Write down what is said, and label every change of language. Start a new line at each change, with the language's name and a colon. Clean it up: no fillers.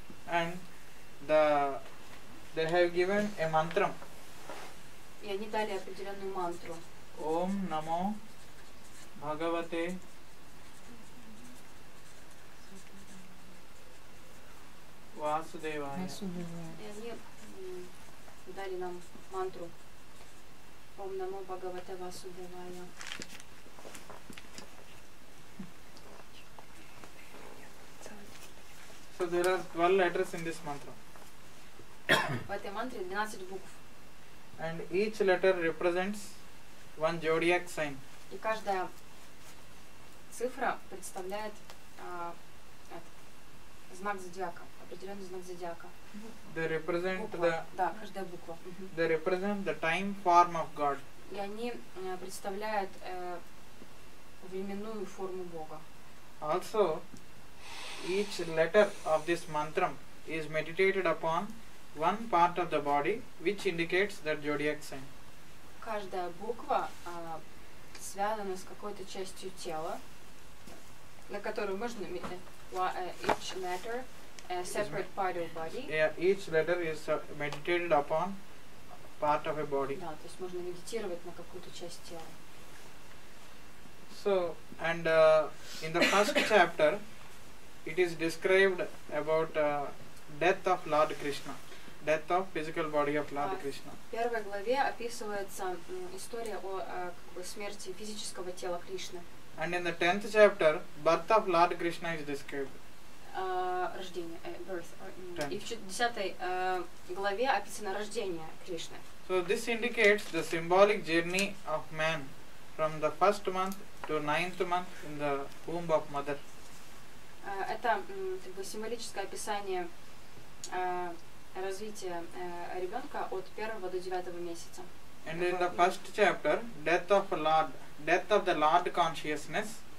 English: And they have given a mantra.
Russian: И они дали определенную мантру.
Sanskrit: Om Namo Bhagavate. Vasudevaya.
Russian: И они дали нам мантру.
Sanskrit: Om Namo Bhagavate Vasudevaya.
English: because there are 12 letters in this mantra.
Russian: В этой мантре 12 букв.
English: And each letter represents one zodiac sign.
Russian: И каждая цифра представляет знак зодиака, определенный знак зодиака.
English: They represent
Russian: буква.
English: The
Russian: да, каждая буква.
English: They represent the time form of God.
Russian: И они представляют временную форму Бога.
English: Also, each letter of this mantra is meditated upon one part of the body, which indicates that zodiac sign.
Russian: Каждая буква связана с какой-то частью тела, на которую можно
English: each letter a separate part of body. Yeah, each letter is meditated upon part of a body.
Russian: Да, то есть можно медитировать на какую-то часть тела.
English: So, and in the first chapter, it is described about death of Lord Krishna, death of physical body of Lord Krishna.
Russian: В первой главе описывается история о смерти физического тела Кришны.
English: And in the 10th chapter, birth of Lord Krishna is described.
Russian: Рождение, birth. И в 10-й главе описано рождение Кришны.
English: So this indicates the symbolic journey of man from the first month to ninth month in the womb of mother.
Russian: Это как бы символическое описание развития ребенка от первого до девятого месяца.
English: And in the first chapter, death of the Lord consciousness.